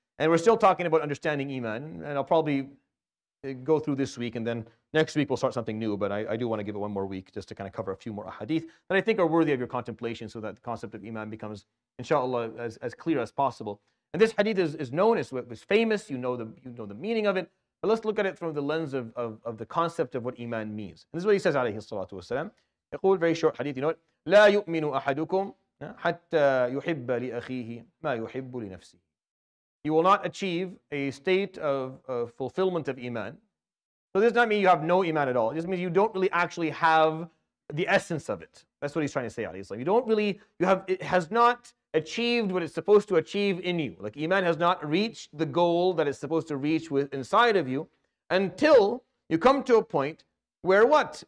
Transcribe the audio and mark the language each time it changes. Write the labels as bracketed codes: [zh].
[en] And we're still talking about understanding iman, and I'll probably go through this week, and then next week we'll start something new, but I do want to give it one more week just to kind of cover a few more hadith that I think are worthy of your contemplation, so that the concept of iman becomes, inshallah, as clear as possible. And this hadith is known, it's famous, you know the meaning of it, but let's look at it from the lens of the concept of what iman means. And this is what he says, alayhi salatu wasalam. [ar] يقول, [en] very short hadith, you know it. [ar] لا يؤمن أحدكم حتى يحب لأخيه ما يحب لنفسه. [en] You will not achieve a state of fulfillment of iman. So this does not mean you have no iman at all. It just means you don't really actually have the essence of it. That's what he's trying to say, Ali Islam. It has not achieved what it's supposed to achieve in you. Like, iman has not reached the goal that it's supposed to reach with inside of you until you come to a point where what?